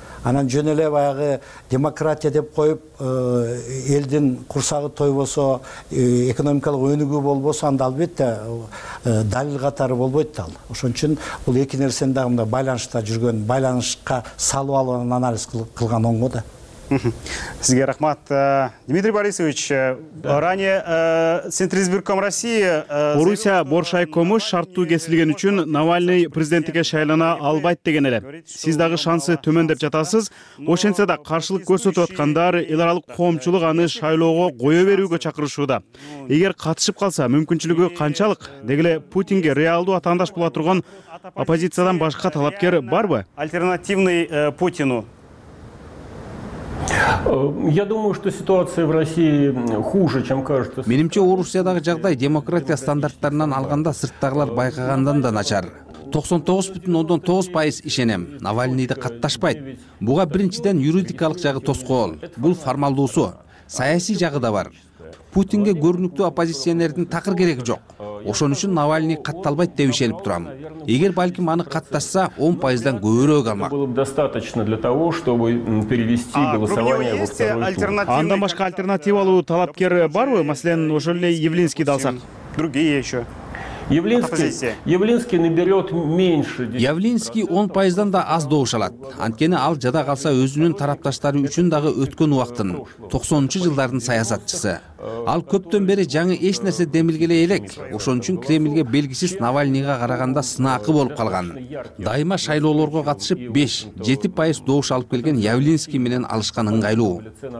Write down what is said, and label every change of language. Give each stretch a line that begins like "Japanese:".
Kyrgyz: Анан жөн эле баягы демократия деп коюп элдин курсагы тойбосо, экономикалык өнүгүү болбосо, анда албетте далил катары болбойт да ал. Ошон үчүн бул эки нерсени дагы мындай байланышта жүргөн, байланышка салып алып анан анализ кылган оңго да. Сизге рахмат.
Russian: Дмитрий Борисович, ранее Центризбирком России
Kyrgyz: Орусия Боршайкому шарттуу кесилген үчүн Навальный президенттикке шайлана албайт деген эле. Сиз дагы шансы төмөн деп жатасыз. Ошентсе да каршылык көрсөтүп аткандар, эл аралык коомчулук аны шайлоого кое берүүгө чакырышууда. Эгер катышып калса, мүмкүнчүлүгү канчалык? Деги эле Путинге реалдуу атаандаш боло турган оппозициядан башка талапкер барбы?
Russian: Альтернативный Путину. Я думаю, что ситуация в России хуже, чем кажется.
Kyrgyz: Менимче Орусиядагы жагдай демократия стандарттарынан алганда сырттагылар байкагандан да начар. 99.9% ишенем. Навальныйды катташпайт. Буга биринчиден юридикалык жагы тоскоол. Бул формалдуусу. Саясий жагы да бар. Путинге көрүнүктүү оппозиционердин такыр кереги жок. Ошон үчүн Навальный катталбайт деп ишенип турам. Эгер балким аны катташса 10%дан көбүрөөк алмак.
Russian: Было бы достаточно для того, чтобы перевести голосование во второй тур.
Kyrgyz: Андан башка альтернативалуу талапкер барбы? Маселен, ошол эле Явлинский алсак.
Russian: Другие еще. Явлинский наберет меньше.
Kyrgyz: Явлинский 10%дан да аз добуш алат. Анткени ал жада калса өзүнүн тарапташтары үчүн дагы өткөн убактын 90-жылдардын саясатчысы. Ал көптөн бери жаңы эч нерсе демилгеле элек. Ошон үчүн Кремльге белгисиз Навальныйга караганда сынакы болуп калган. Дайыма шайлоолорго катышып 5-7% добуш алып келген Явлинский менен алышкан ыңгайлуу.